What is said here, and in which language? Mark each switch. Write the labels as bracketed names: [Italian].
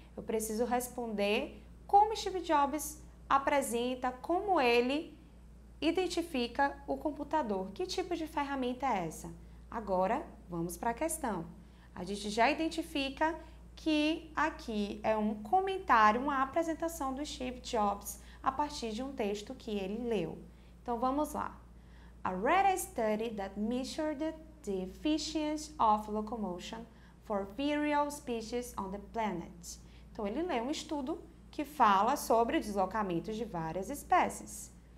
[Portuguese] Eu preciso responder como Steve Jobs apresenta, como ele identifica o computador. Que tipo de ferramenta é essa? Agora, vamos para a questão. A gente já identifica que aqui é um comentário, uma apresentação do Steve Jobs a partir de um texto que ele leu. Então vamos lá. [English] A rare study that measured the efficiency of locomotion for various species on the planet. [Portuguese] Então ele leu um estudo que fala sobre o deslocamento de várias espécies.